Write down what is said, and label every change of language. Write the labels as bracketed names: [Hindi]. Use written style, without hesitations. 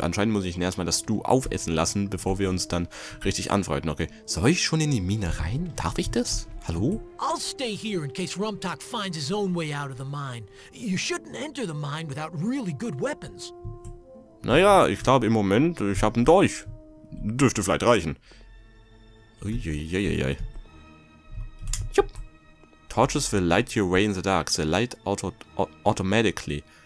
[German] Anscheinend muss ich ihn erstmal das Du aufessen lassen, bevor wir uns dann richtig anfreunden. Okay. Soll ich schon in die Mine rein? Darf ich das? Hallo? [English] I'll stay here in case Rumtok finds his own way out of the mine. You shouldn't enter the mine without really good weapons. [German] Naja, ich glaube im Moment, ich habe einen Dolch. Dürfte vielleicht reichen. Uiuiuiui. [English] Torches will light your way in the dark. They light automatically.